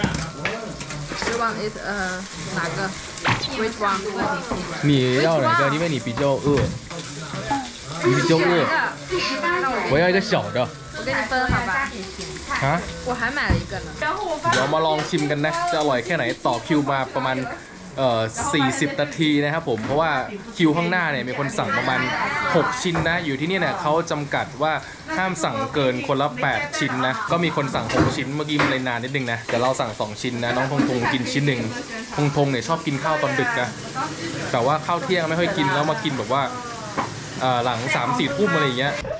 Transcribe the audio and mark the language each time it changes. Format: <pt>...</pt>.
<en>Which one is</en> <zh>哪个？你要哪个？因为你比较饿，你比较饿。我要一个小的。我给你分好吧。啊？我还买了一个呢。</zh> <th>เรามาลองชิมกันนะจะอร่อยแค่ไหนต่อคิวมาประมาณ40นาทีนะครับผมเพราะว่าคิวข้างหน้าเนี่ยมีคนสั่งประมาณ6ชิ้นนะอยู่ที่นี่เนี่ยเขาจำกัดว่าห้ามสั่งเกินคนละ8ชิ้นนะก็มีคนสั่ง6ชิ้นเมื่อกี้มันเลยนานนิดนึงนะแต่เราสั่ง2ชิ้นนะน้องพงกินชิ้นหนึ่งพงเนี่ยชอบกินข้าวตอนดึกนะแต่ว่าข้าวเที่ยงไม่ค่อยกินแล้วมากินแบบว่าหลัง 3-4 ทุ่มอะไรอย่างเงี้ย</th>